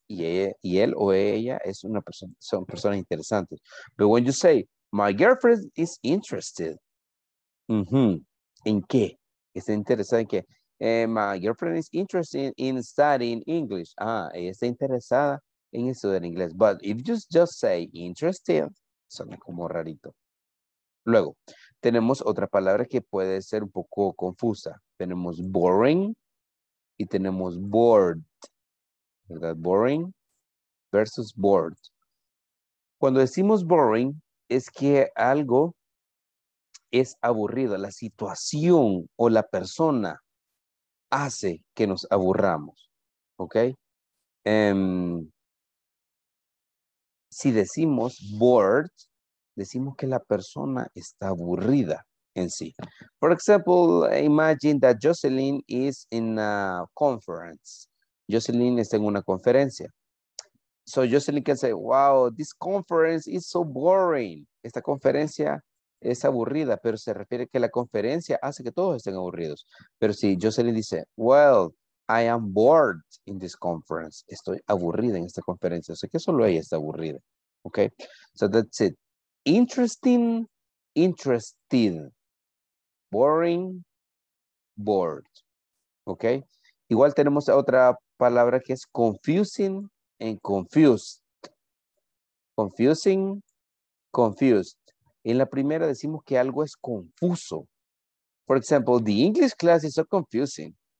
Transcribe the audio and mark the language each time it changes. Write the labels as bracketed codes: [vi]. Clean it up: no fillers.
[es] Y él o ella es una persona, son personas interesantes. [en] But when you say, my girlfriend is interested, mm-hmm. [es] ¿En qué? Está interesada en qué. [en] My girlfriend is interested in studying English. [es] Ah, ella está interesada en estudiar inglés. [en] But if you just say interested, [es] suena como rarito. Luego, tenemos otra palabra que puede ser un poco confusa. Tenemos boring y tenemos bored. ¿Verdad? Boring versus bored. Cuando decimos boring, es que algo es aburrido, la situación o la persona hace que nos aburramos, ¿ok? Si decimos bored, decimos que la persona está aburrida en sí. [en] For example, imagine that Jocelyn is in a conference. [es] Jocelyn está en una conferencia. [en] So Jocelyn can say, wow, this conference is so boring. [es] Esta conferencia es aburrida, pero se refiere que la conferencia hace que todos estén aburridos. Pero si Jocelyn dice, [en] well, I am bored in this conference. [es] Estoy aburrida en esta conferencia. O sea, que solo ella está aburrida. [en] Okay, so that's it. Interesting, interested. Boring, bored. [es] Okay, igual tenemos otra palabra que es confusing and confused. [en] Confusing, confused. [es] En la primera decimos que algo es confuso. [en] For example, the English class is so confusing.